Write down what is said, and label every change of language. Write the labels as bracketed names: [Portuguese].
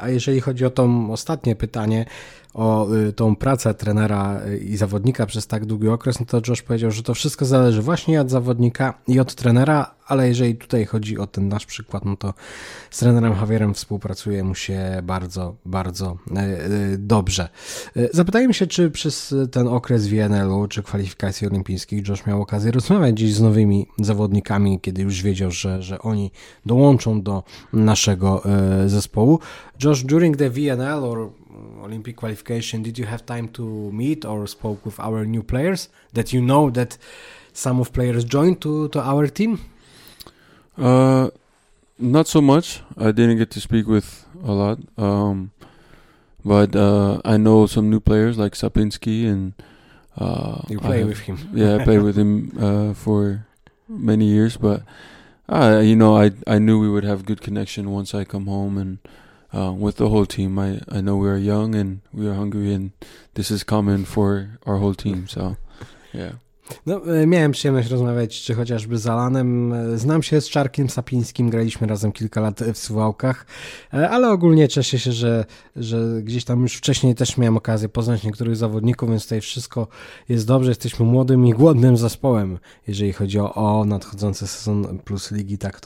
[Polish] A jeżeli chodzi o to ostatnie pytanie, o tą pracę trenera i zawodnika przez tak długi okres, no to Josh powiedział, że to wszystko zależy właśnie od zawodnika i od trenera, ale jeżeli tutaj chodzi o ten nasz przykład, no to z trenerem Javierem współpracuje mu się bardzo, bardzo dobrze. Zapytajmy się, czy przez ten okres WNL-u, czy kwalifikacji olimpijskich, Josh miał okazję rozmawiać gdzieś z nowymi zawodnikami, kiedy już wiedział, że oni dołączą do naszego zespołu. [English] Josh, during the WNL or Olympic qualification, did you have time to meet or spoke with our new players that you know that some of players joined to our team? Not so much. I didn't get to speak with a lot. But I know some new players like Sapinski and... You play with him. Yeah, I played with him for many years. But, you know, I knew we would have good connection once I come home and... with the whole team. I know we are young and we are hungry and this is common for our whole team, so yeah. [Polish] No, miałem przyjemność rozmawiać, czy chociażby z Alanem. Znam się z Czarkiem Sapińskim, graliśmy razem kilka lat w Suwałkach, ale ogólnie cieszę się, że gdzieś tam już wcześniej też miałem okazję poznać niektórych zawodników, więc tutaj wszystko jest dobrze. Jesteśmy młodym i głodnym zespołem, jeżeli chodzi o nadchodzący sezon plus ligi.